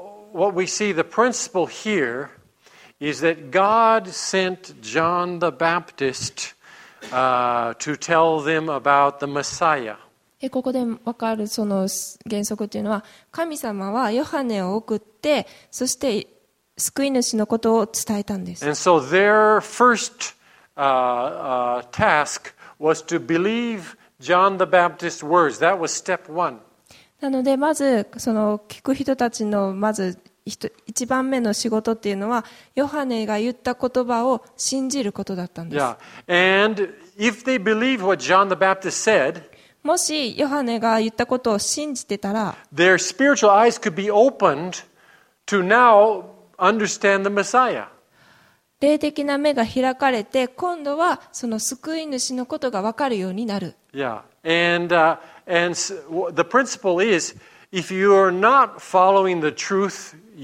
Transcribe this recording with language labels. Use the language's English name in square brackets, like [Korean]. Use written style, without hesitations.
[English] What we see the principle here is that God sent John the Baptist to tell them about the Messiah. [Japanese] ここで分かるその原則というのは、神様はヨハネを送って、そして救い主のことを伝えたんです。 [English] And so their first task was to believe John the Baptist's words. That was step one. [Japanese] なのでまずその聞く人たちのまず一番目の仕事っていうのは、ヨハネが言った言葉を信じることだったんです。 [English] Yeah. And if they believe what John the Baptist said, [Japanese] もしヨハネが言ったことを信じてたら、 [English] their spiritual eyes could be opened to now understand the Messiah. [Japanese] 霊的な目が開かれて、今度はその救い主のことが分かるようになる。 [English] Yeah. And the principle is, if you are not following the truth,